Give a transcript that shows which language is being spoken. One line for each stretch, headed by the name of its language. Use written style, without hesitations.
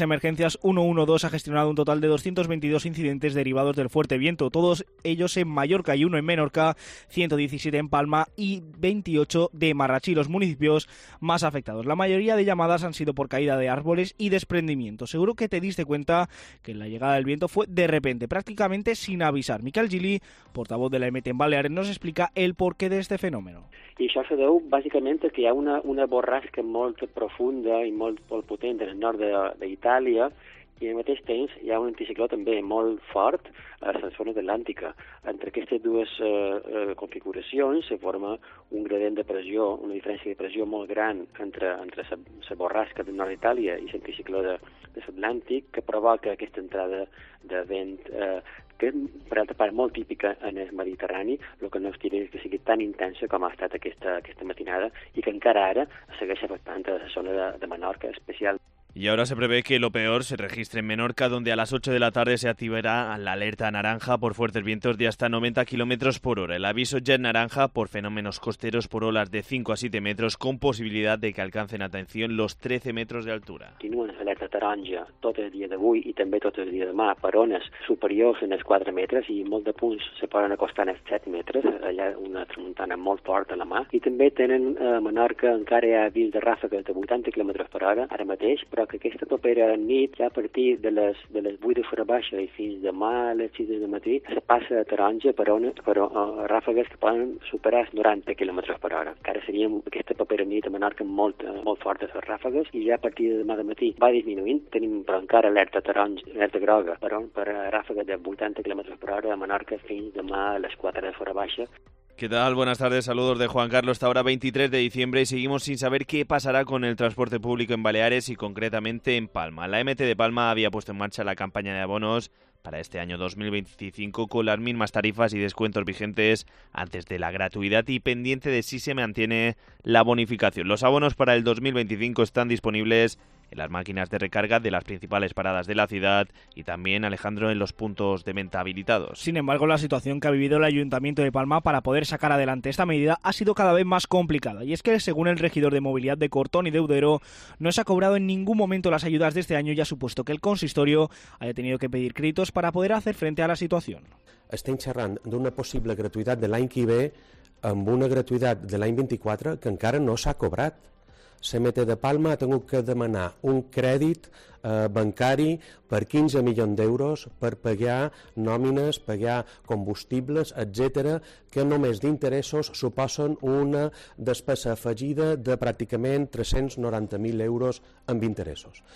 Spanish: Emergencias 112 ha gestionado un total de 222 incidentes derivados del fuerte viento, todos ellos en Mallorca y uno en Menorca, 117 en Palma y 28 de Marrachí, los municipios más afectados. La mayoría de llamadas han sido por caída de árboles y desprendimiento. Seguro que te diste cuenta que la llegada del viento fue de repente, prácticamente sin avisar. Miquel Gili, portavoz de la EMT en Baleares, nos explica el porqué de este fenómeno.
Catalan: I això se deu bàsicament que hi ha una borrasca molt profunda i molt potent en el nord d'Itàlia, i al mateix temps hi ha un anticicló també molt fort a la zona atlàntica. Entre aquestes dues configuracions se forma un gradient de pressió, una diferència de pressió molt gran entre la borrasca del nord d'Itàlia i l'anticicló de l'Atlàntic, que provoca aquesta entrada de vent que per altra part molt típica en el Mediterrani, el que no estiré és que sigui tan intensa com ha estat aquesta matinada i que encara ara segueix afectant la zona de Menorca especial.
Spanish: Y ahora se prevé que lo peor se registre en Menorca, donde a las 8 de la tarde se activará la alerta naranja por fuertes vientos de hasta 90 kilómetros por hora. El aviso ya en naranja por fenómenos costeros por olas de 5 a 7 metros, con posibilidad de que alcancen atención los 13 metros de altura.
Catalan: Continúen la alerta taronja tot el dia d'avui i també tot el dia demà per ones superiors en els 4 metres i molt de punts se poden acostar en els 7 metres. Allà una tramuntana molt forta a la mà. I també tenen a Menorca encara avís de ràfegues de 80 km per hora ara mateix, però que aquesta propera nit, ja a partir de les 8 de fora baixa i fins demà a les 6 de matí, se passa a taronja per ràfegues que poden superar els 90 km per hora. Encara seríem aquesta propera nit a Menorca molt, molt fortes les ràfegues i ja a partir de demà de matí va disminuint. Tenim però encara alerta taronja, alerta groga per ràfega de 80 km per hora a Menorca fins demà a les 4 de fora baixa.
Spanish: ¿Qué tal? Buenas tardes, saludos de Juan Carlos. Está ahora 23 de diciembre y seguimos sin saber qué pasará con el transporte público en Baleares y concretamente en Palma. La EMT de Palma había puesto en marcha la campaña de abonos para este año 2025 con las mismas tarifas y descuentos vigentes antes de la gratuidad y pendiente de si se mantiene la bonificación. Los abonos para el 2025 están disponibles en las máquinas de recarga de las principales paradas de la ciudad y también, Alejandro, en los puntos de venta habilitados. Sin embargo, la situación que ha vivido el Ayuntamiento de Palma para poder sacar adelante esta medida ha sido cada vez más complicada. Y es que, según el regidor de movilidad de Cortón y Deudero, no se ha cobrado en ningún momento las ayudas de este año y ha supuesto que el consistorio haya tenido que pedir créditos para poder hacer frente a la situación.
Catalan: Estem xerrant d'una possible gratuïtat de l'any que ve amb una gratuïtat de l'any 24 que encara no s'ha cobrat. CMT de Palma ha tingut que demanar un crèdit bancari per 15 milions d'euros per pagar nòmines, pagar combustibles, etc., que només d'interessos suposen una despesa afegida de pràcticament 390.000 euros amb interessos.